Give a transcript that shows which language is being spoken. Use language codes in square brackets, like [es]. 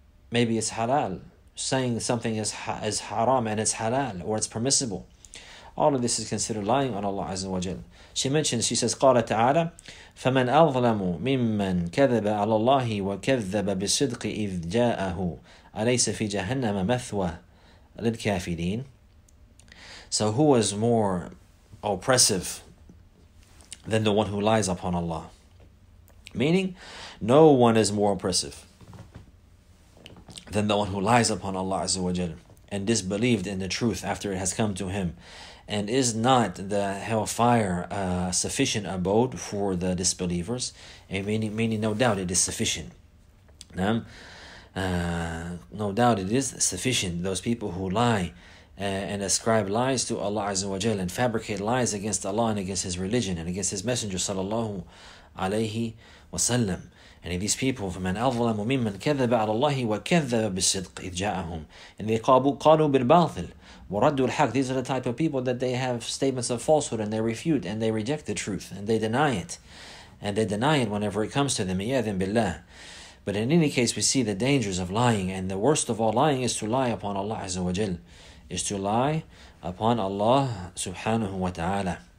[en] Maybe it's halal, saying something is haram and it's halal, or it's permissible. All of this is considered lying on Allah Azza wa Jal. She mentions, she says, [ar] قَالَ تَعَالَى فَمَنْ أَظْلَمُ مِمَّنْ كَذَبَ عَلَى اللَّهِ وَكَذَّبَ بِالصِّدْقِ إِذْ جَاءَهُ أَلَيْسَ فِي جَهَنَّمَ مَثْوَى لِلْكَافِرِينَ. [en] So who is more oppressive than the one who lies upon Allah? Meaning, no one is more oppressive than the one who lies upon Allah Azza wa Jal and disbelieved in the truth after it has come to him. And is not the hellfire a sufficient abode for the disbelievers? And meaning, no doubt it is sufficient. No doubt it is sufficient. Those people who lie and ascribe lies to Allah Azza wa Jal and fabricate lies against Allah and against His religion and against His Messenger sallallahu alayhi wa sallam. And these people, [ar] فَمَنْ أَظْلَمُ مِمَّنْ كَذَّبَ عَلَى اللَّهِ وَكَذَّبَ بِالصِّدْقِ إِذْ جَاءَهُمْ. [en] And they [ar] قَالُوا بِالْبَاطِلِ وَرَدُّوا الْحَقِّ. [en] These are the type of people that they have statements of falsehood and they refute and they reject the truth and they deny it. And they deny it whenever it comes to them. [ar] إِيَذٍ بِاللَّهِ. [en] But in any case, we see the dangers of lying. And the worst of all lying is to lie upon Allah Azza wa Jal. Is to lie upon Allah subhanahu wa ta'ala.